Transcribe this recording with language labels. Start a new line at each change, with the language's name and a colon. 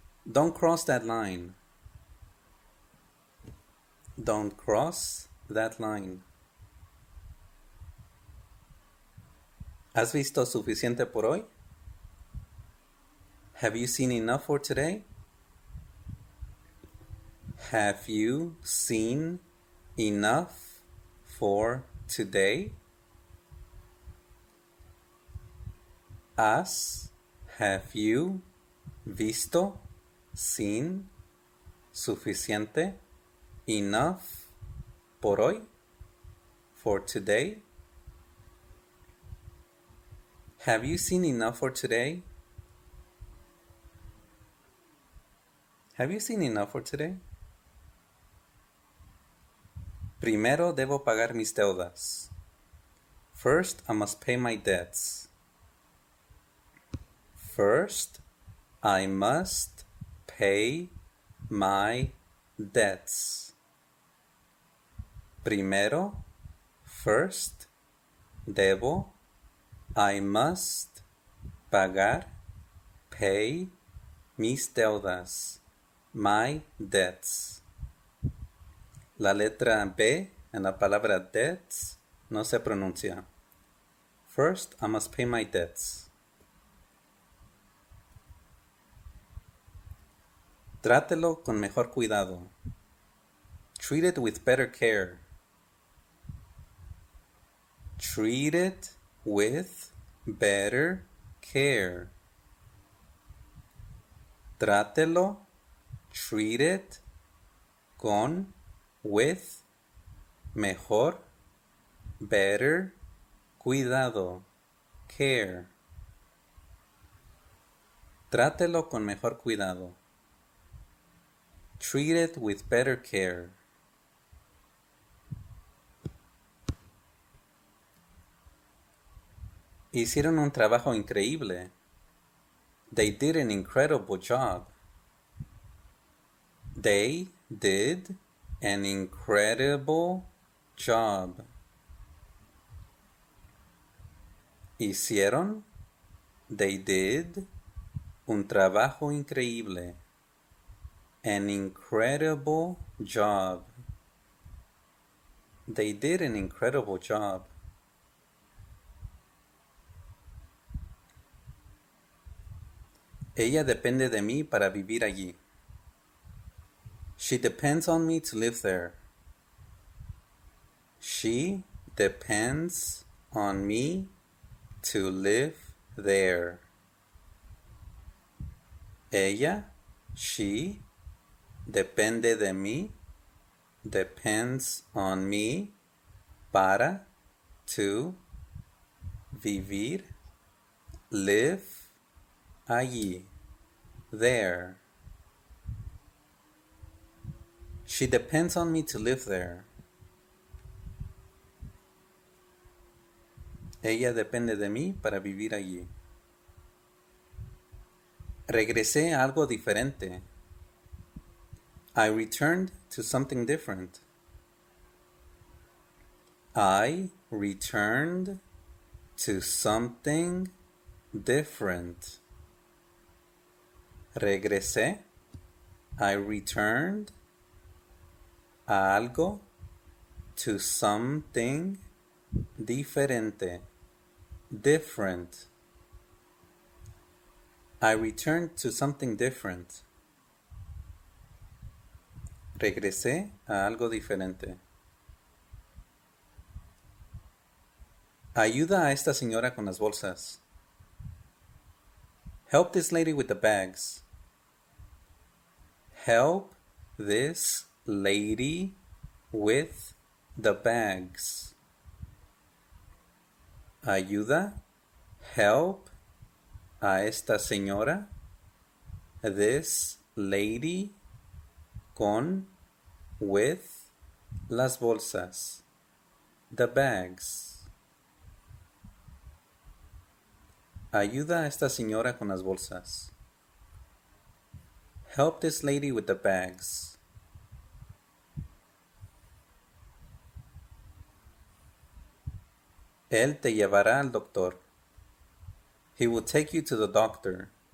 English: Don't cross that line. Don't cross that line.
Spanish: ¿Has visto suficiente por hoy?
English: Have you seen enough for today? Have you seen enough for today? Us have you
Spanish: visto
English: seen
Spanish: suficiente
English: enough
Spanish: por hoy
English: for today? Have you seen enough for today? Have you seen enough for today?
Spanish: Primero debo pagar mis deudas.
English: First, I must pay my debts. First, I must pay my debts.
Spanish: Primero,
English: first,
Spanish: debo,
English: I must
Spanish: pagar,
English: pay
Spanish: mis deudas,
English: my debts.
Spanish: La letra B en la palabra debts no se pronuncia.
English: First, I must pay my debts.
Spanish: Trátelo con mejor cuidado.
English: Treat it with better care. Treat it with better care.
Spanish: Trátelo,
English: treat it
Spanish: con
English: with
Spanish: mejor,
English: better,
Spanish: cuidado,
English: care.
Spanish: Trátelo con mejor cuidado.
English: Treat it with better care.
Spanish: Hicieron un trabajo increíble.
English: They did an incredible job. They did an incredible job.
Spanish: Hicieron,
English: they did,
Spanish: un trabajo increíble.
English: An incredible job. They did an incredible job.
Spanish: Ella depende de mí para vivir allí.
English: She depends on me to live there. She depends on me to live there.
Spanish: Ella,
English: she,
Spanish: depende de mí,
English: depends on me,
Spanish: para,
English: to,
Spanish: vivir,
English: live,
Spanish: allí,
English: there. She depends on me to live there.
Spanish: Ella depende de mí para vivir allí. Regresé a algo diferente.
English: I returned to something different. I returned to something different.
Spanish: Regresé.
English: I returned
Spanish: a algo,
English: to something
Spanish: diferente,
English: different. I returned to something different.
Spanish: Regresé a algo diferente. Ayuda a esta señora con las bolsas.
English: Help this lady with the bags. Help this lady with the bags.
Spanish: Ayuda,
English: help
Spanish: a esta señora,
English: this lady,
Spanish: con,
English: with,
Spanish: las bolsas,
English: the bags.
Spanish: Ayuda a esta señora con las bolsas.
English: Help this lady with the bags.
Spanish: Él te llevará al doctor.
English: He will take you to the doctor.